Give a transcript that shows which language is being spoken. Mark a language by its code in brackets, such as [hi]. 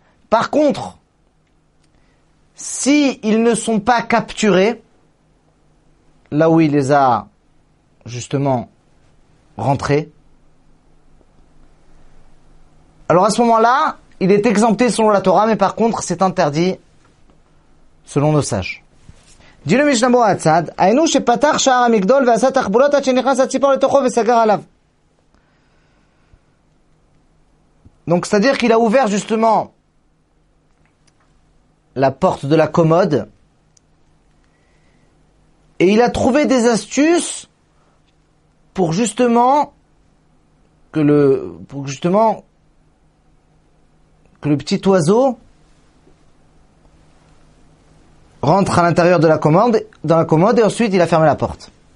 [fr] Par contre, s'ils ne sont pas capturés, là où il les a justement rentrés, alors à ce moment-là, il est exempté selon la Torah, mais par contre, c'est interdit selon nos sages. [he] דילו משנה ברורה הצד, היינו שפתח שער המגדול ועשה תחבולות עד שנכנס הציפור לתוכו וסגר עליו. [fr] Donc c'est-à-dire qu'il a ouvert justement la porte de la commode et il a trouvé des astuces pour justement que le petit oiseau rentre à l'intérieur de la commode, dans la commode, et ensuite il a fermé la porte.